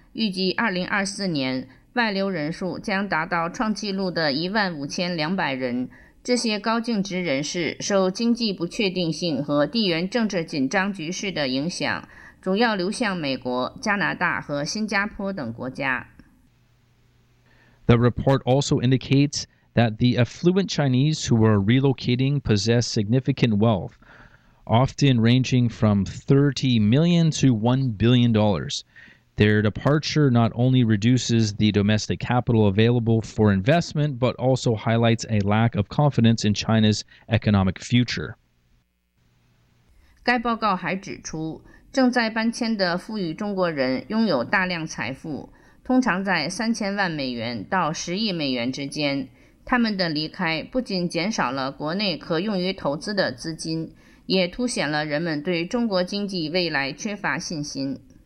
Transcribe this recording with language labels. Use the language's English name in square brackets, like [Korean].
[Chinese] 预计2024年，外流人数将达到创纪录的15,200人。这些高净值人士受经济不确定性和地缘政治紧张局势的影响，主要流向美国、加拿大和新加坡等国家。 [English] The report also indicates... that the affluent Chinese who are relocating possess significant wealth, often ranging from $30 million to $1 billion. Their departure not only reduces the domestic capital available for investment, but also highlights a lack of confidence in China's economic future. [Chinese] 该报告还指出，正在搬迁的富裕中国人拥有大量财富，通常在3,000万美元到10亿美元之间。他们的离开不仅减少了国内可用于投资的资金，也凸显了人们对中国经济未来缺乏信心。